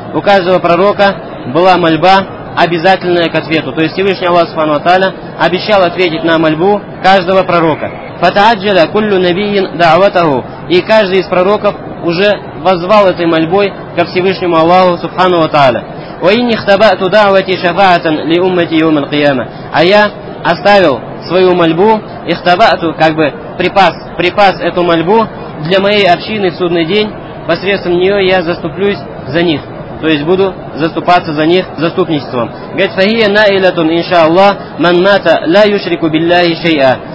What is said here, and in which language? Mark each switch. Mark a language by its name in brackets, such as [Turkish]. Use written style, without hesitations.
[Russian] У каждого пророка была мольба, обязательная к ответу. То есть Всевышний Аллах Субхану ва Тааля обещал ответить на мольбу каждого пророка. [Arabic] فتعجل كل نبي دعوته. [Russian] И каждый из пророков уже воззвал этой мольбой ко Всевышнему Аллаху Субхану ва Тааля. [Arabic] وإني اختبأت دعوتي شفاعة لأمتي يوم القيامة. [Russian] А я оставил свою мольбу, ихтабату, как бы припас эту мольбу для моей общины в судный день, посредством нее я заступлюсь за них, то есть буду заступаться за них заступничеством. Говорит, [Arabic] фахия наилятун иншааллах ман мата ла юшрику билляхи шейа.